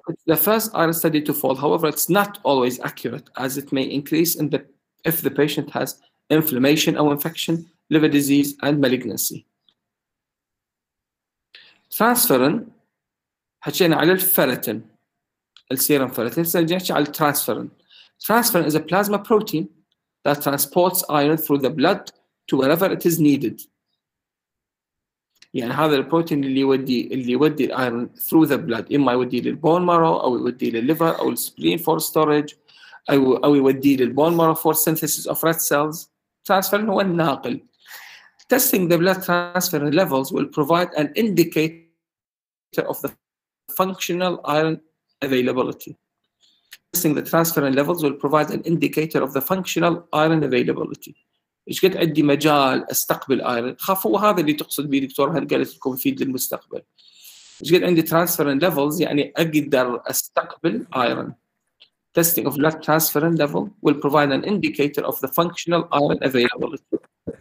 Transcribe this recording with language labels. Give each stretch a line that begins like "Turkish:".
English: The first R study to fall, however, it's not always accurate as it may increase in the if the patient has inflammation or infection, liver disease, and malignancy.
Arabic: Transferrin, حكينا على الفيرتين، السيرم فيرتين، سنجي نحكي على الترانسفيرن.
English: Transferrin is a plasma protein that transports iron through the blood to wherever it is needed.
Arabic: يعني هذا البروتين اللي يودي الايرون
English: through the blood،
Arabic: اما يودي للبون مارو او يودي للليفر او السبلين
English: for storage
Arabic: او يودي للبون مارو
English: for synthesis of red cells.
Arabic: ترانسفيرن هو الناقل.
English: Testing the blood transfer levels will provide an indicator of the functional iron availability. Testing the transfer levels will provide an indicator of the functional iron availability.
Arabic: إيش قد عندي مجال أستقبل آيرن؟ خاف هو هذا اللي تقصد بيه دكتور، هل قالت لكم يفيد للمستقبل؟ إيش قد عندي transferrin levels يعني أقدر أستقبل آيرن؟
English: Testing of blood transferrin level will provide an indicator of the functional iron availability.